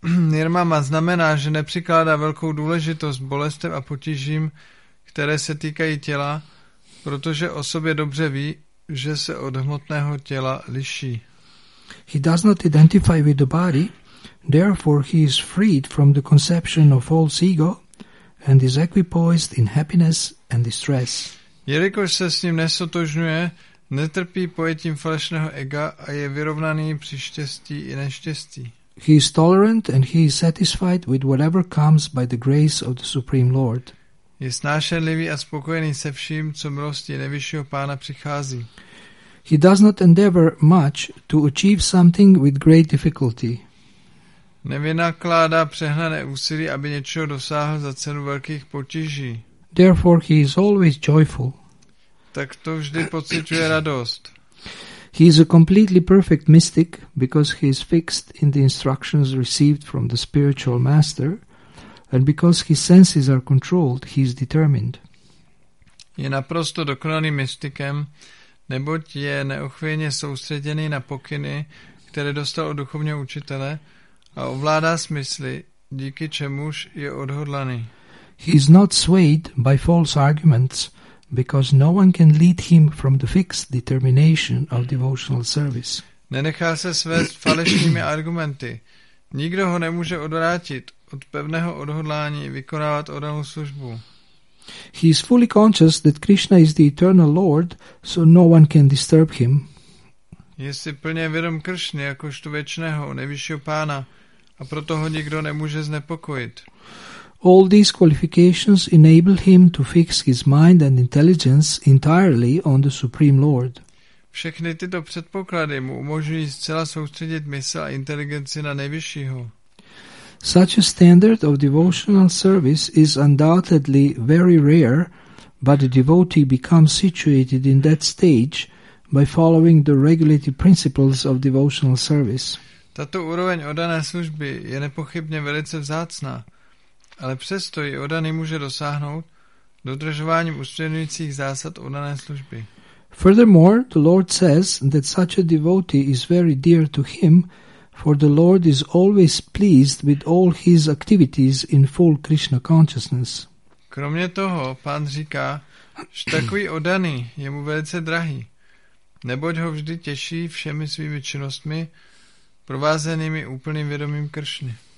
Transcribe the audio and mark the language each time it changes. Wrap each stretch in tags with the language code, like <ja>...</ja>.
<cs>Nirmama znamená, že nepřikládá velkou důležitost bolestem a potížím, které se týkají těla, protože o sobě dobře ví, že se od hmotného těla liší.</cs> <en>He does not identify with the body, therefore he is freed from the conception of false ego and is equipoised in happiness and distress.</en> <cs>Jelikož se s ním nesotožňuje, netrpí pojetím falešného ega a je vyrovnaný při štěstí i neštěstí.</cs> <en>He is tolerant and he is satisfied with whatever comes by the grace of the Supreme Lord.</en> <cs>Je snášenlivý a spokojený se vším, co milosti nejvyššího pána přichází.</cs> <en>He does not endeavor much to achieve something with great difficulty.</en> <cs>Nevynakládá přehnané úsilí, aby něčeho dosáhl za cenu velkých potíží.</cs> <en>Therefore he is always joyful.</en> <cs>Tak to vždy pociťuje radost.</cs> <en>He is a completely perfect mystic because he is fixed in the instructions received from the spiritual master and because his senses are controlled, he is determined.</en> <cs>Je naprosto dokonalý mystikem, neboť je neochvějně soustředěný na pokyny, které dostal od duchovního učitele a ovládá smysly, díky čemuž je odhodlaný.</cs> <en>He is not swayed by false arguments, because no one can lead him from the fixed determination of devotional service.</en> <cs>Nenechá se svést falešnými argumenty. Nikdo ho nemůže odvrátit od pevného odhodlání vykonávat odanou službu.</cs> <en>He is fully conscious that Krishna is the eternal Lord, so no one can disturb him.</en> <cs>Je si plně vědom Kršny jakožto věčného, nejvyššího pána, a proto ho nikdo nemůže znepokojit.</cs> <en>All these qualifications enable him to fix his mind and intelligence entirely on the Supreme Lord.</en> <cs>Všechny tyto předpoklady mu umožňují zcela soustředit mysl a inteligenci na nejvyššího.</cs> <en>Such a standard of devotional service is undoubtedly very rare, but a devotee becomes situated in that stage by following the regulative principles of devotional service.</en> <cs>Tato úroveň oddané služby je nepochybně velice vzácná, ale přesto ji oddaný může dosáhnout dodržováním usměrňujících zásad oddané služby.</cs> <en>Furthermore, the Lord says that such a devotee is very dear to him, For the Lord is always pleased with all his activities in full Krishna consciousness.</en> <cs>Kromě toho, pán říká, že takový oddaný je mu velice drahý, neboť ho vždy těší všemi svými činnostmi, provázenými úplným vědomím Kršny.</cs>